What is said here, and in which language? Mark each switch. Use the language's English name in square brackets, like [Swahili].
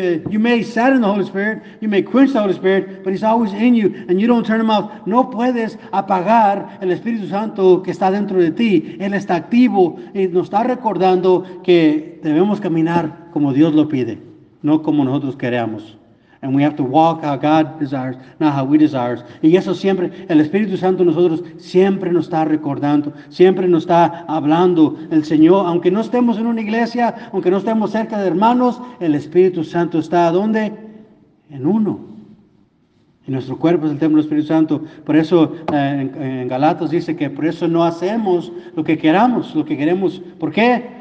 [English] You may sadden the Holy Spirit. You may quench the Holy Spirit. But He's always in you. And you don't turn Him off. [Spanish] No puedes apagar el Espíritu Santo que está dentro de ti. Él está activo. Y nos está recordando que debemos caminar como Dios lo pide. No como nosotros queremos. [English] And we have to walk how God desires, not how we desire. [Spanish] Y eso siempre, el Espíritu Santo nosotros siempre nos está recordando, siempre nos está hablando. El Señor, aunque no estemos en una iglesia, aunque no estemos cerca de hermanos, el Espíritu Santo está, ¿dónde? En uno. Y nuestro cuerpo es el templo del Espíritu Santo. Por eso en Galatas dice que por eso no hacemos lo que queremos. ¿Por qué?